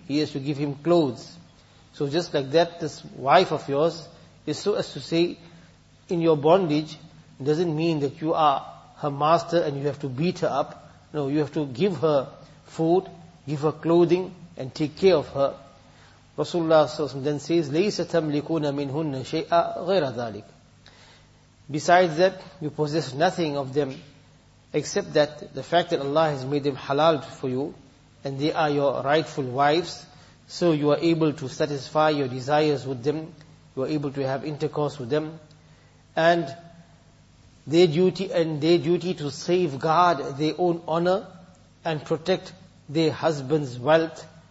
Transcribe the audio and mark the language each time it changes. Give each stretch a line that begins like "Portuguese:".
English: He has to give him clothes. So just like that, this wife of yours is so as to say, in your bondage, doesn't mean that you are her master and you have to beat her up. No, you have to give her food, give her clothing, and take care of her. Rasulullah then says,
Arabic: لَيْسَتَمْ لِكُونَ مِنْهُنَّ شَيْئًا غَيْرَ ذَلِكَ.
English: Besides that, you possess nothing of them except that the fact that Allah has made them halal for you and they are your rightful wives, so you are able to satisfy your desires with them, you are able to have intercourse with them, and their duty to safeguard their own honor and protect their husband's wealth.